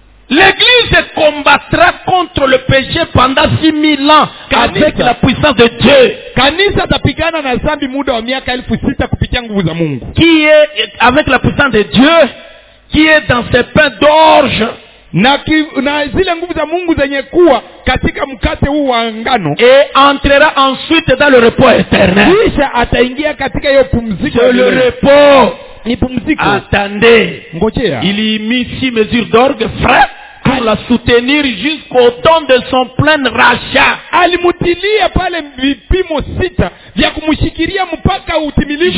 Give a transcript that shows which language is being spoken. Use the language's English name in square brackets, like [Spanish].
[French] L'église combattra contre le péché pendant 6000 ans avec la puissance de Dieu. [Swahili] Kanisa tapigana na zambi muda wa miaka 6000 kupitia nguvu za Mungu. [French] Qui est avec la puissance de Dieu qui est dans ses pains d'orge. [Swahili] Na zile nguvu za Mungu zenye kuwa katika mkate huu wa ngano. [French] Et entrera ensuite dans le repos éternel. [Swahili] Kisha ataingia katika hiyo pumziko. [French] C'est le repos. [Swahili] Ni pumziko. [French] Attendez. [Swahili] Ngojea. [French] Il y mit 6 mesures d'orge frais pour la soutenir jusqu'au temps de son plein rachat. [Swahili] Alimutilia pale vipimo 6 vya kumshikiria mpaka utimilifu.